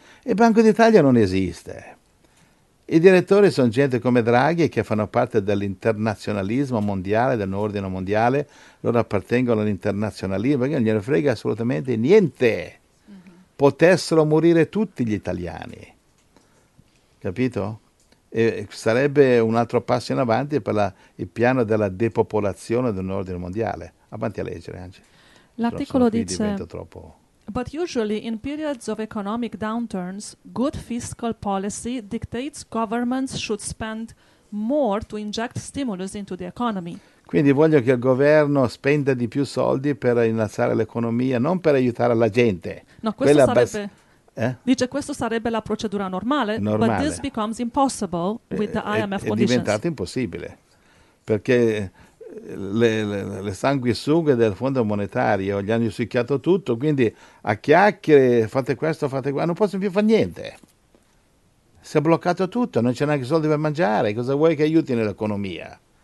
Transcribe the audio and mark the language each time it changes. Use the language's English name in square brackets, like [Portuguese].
[Italian] E il Banco d'Italia non esiste. I direttori sono gente come Draghi che fanno parte dell'internazionalismo mondiale, del nuovo ordine mondiale, loro appartengono all'internazionalismo, perché non gliene frega assolutamente niente. Potessero morire tutti gli italiani. Capito? E sarebbe un altro passo in avanti per il piano della depopolazione del nuovo ordine mondiale. Avanti a leggere, Angie. L'articolo dice: [English] "But usually in periods of economic downturns, good fiscal policy dictates governments should spend more to inject stimulus into the economy." [Italian] Quindi voglio che il governo spenda di più soldi per innalzare l'economia, non per aiutare la gente. No, questo quella sarebbe dice questo sarebbe la procedura normale. [English] But this becomes impossible with the IMF conditions. [Italian] È diventato impossibile perché le sanguisughe del Fondo Monetario gli hanno succhiato tutto, quindi a chiacchiere fate questo, fate quello, non possono più fare niente, si è bloccato tutto, non c'è neanche soldi per mangiare, cosa vuoi che aiuti nell'economia?